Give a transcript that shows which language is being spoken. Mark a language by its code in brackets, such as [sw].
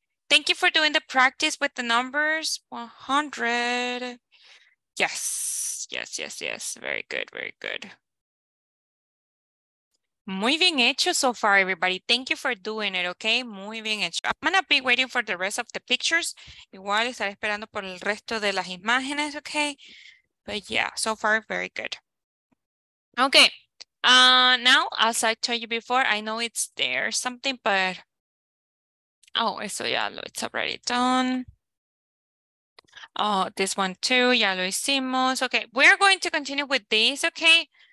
[en] Thank you for doing the practice with the numbers. 100. Yes, yes, yes, yes. Very good, very good. [es] Muy bien hecho [en] so far, everybody. Thank you for doing it, okay? Muy bien hecho. I'm gonna be waiting for the rest of the pictures. [es] Igual estaré esperando por el resto de las imágenes, okay? [en] But yeah, so far, very good. Okay, now, as I told you before, I know it's there something, but... Oh, [es] eso ya lo, [en] it's already done. Oh, this one too, [es] ya lo hicimos. [en] Okay, we're going to continue with this, okay?